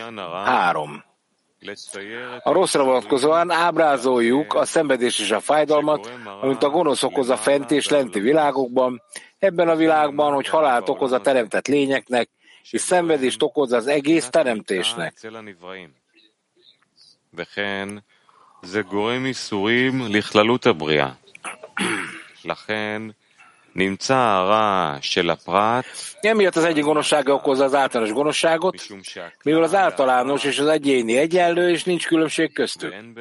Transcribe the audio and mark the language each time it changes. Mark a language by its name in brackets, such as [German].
[Hungarian] Három. A rosszra vonatkozóan ábrázoljuk a szenvedés és a fájdalmat, amit a gonosz okoz a fent és lenti világokban, ebben a világban, hogy halált okoz a teremtett lényeknek, és szenvedést okoz az egész teremtésnek. [Hebrew] וכן זה גורם איסורים לכללות הבריאה. לכן נמצא הרע של הפרט. [Hungarian] Emiatt az egyik gonoszsága okozza az általános gonoszságot, mivel az általános és az egyéni egyenlő, és nincs különbség köztük.